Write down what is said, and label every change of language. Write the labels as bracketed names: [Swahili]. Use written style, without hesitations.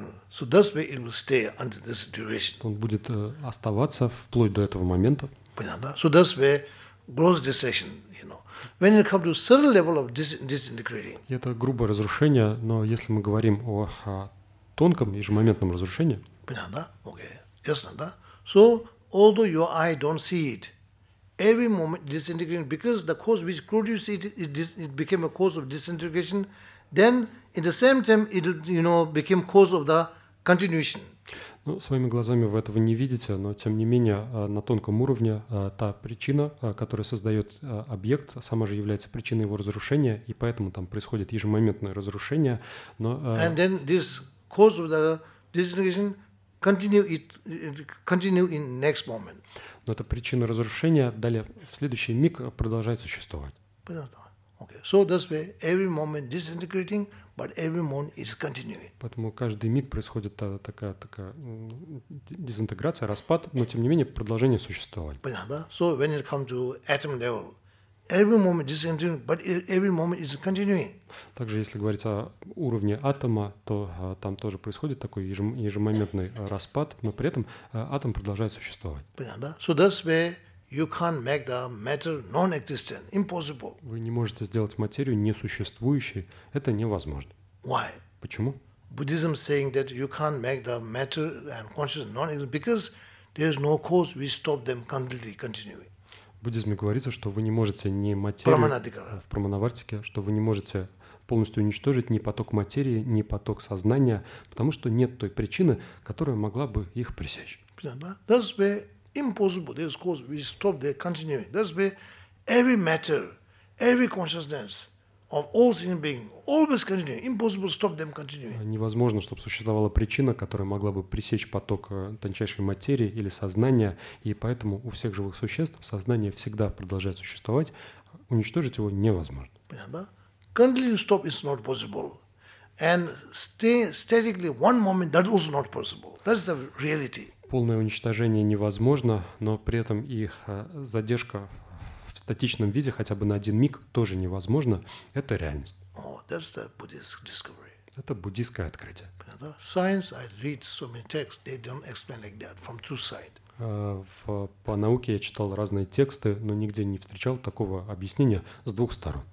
[English] So that's where it will stay under this duration. [Russian] Он будет оставаться вплоть до этого момента. Понятно. [English] So that's where gross distraction, you know. When it comes to certain level of disintegrating. [Russian] Это грубое разрушение, но если мы говорим о тонком ежемоментном разрушении. Понятно, да? [English] Okay. [Russian] Ясно, да? [English] So, although your eye don't see it, every moment disintegrating, because the cause which produced it became a cause of disintegration, then in the same time, it, you know, became cause of the continuation. [Russian] Ну, своими глазами вы этого не видите, но тем не менее на тонком уровне та причина, которая создает объект, сама же является причиной его разрушения, и поэтому там происходит ежемоментное разрушение. Но, [English] and then this cause of the disintegration continue in next moment. [Russian] Но эта причина разрушения далее в следующий миг продолжает существовать. [English] Okay. So that's why every moment disintegrating, but every moment is continuing. [Russian] Поэтому каждый миг происходит такая дезинтеграция, распад, но тем не менее продолжение существовать. Понятно. [English] So when it comes to atom level, every moment disintegrating, but every moment is continuing. [Russian] Также, если говорить о уровне атома, то там тоже происходит такой ежемоментный распад, но при этом атом продолжает существовать. Понятно. [English] So that's why you can't make the matter non-existent. Impossible. [Russian] Вы не можете сделать материю несуществующей. Это невозможно. [English] Why? [Russian] Почему? [English] Buddhism saying that you can't make the matter and consciousness non-existent because there is no cause. We stop them completely, continuing. [Russian] В буддизме говорится, что вы не можете ни материю в Прамановартике, что вы не можете полностью уничтожить ни поток материи, ни поток сознания, потому что нет той причины, которая могла бы их пресечь. [English] That's why impossible. There's cause. We stop there, continuing. That's why every matter, every consciousness of all sentient beings always continue. Impossible to stop them continuing. [Russian] Невозможно, чтобы существовала причина, которая могла бы пресечь поток тончайшей материи или сознания, и поэтому у всех живых существ сознание всегда продолжает существовать. Уничтожить его невозможно. Понятно? [English] Continue stop is not possible. And stay statically one moment, that was not possible. That's the reality. [Russian] Полное уничтожение невозможно, но при этом их задержка в статичном виде хотя бы на один миг тоже невозможно. Это реальность. [English] Oh, that's the Buddhist discovery. [Russian] Это буддийское открытие. [English] Science, I read so many texts, they don't explain like that from two sides. [Russian] По науке я читал разные тексты, но нигде не встречал такого объяснения с двух сторон.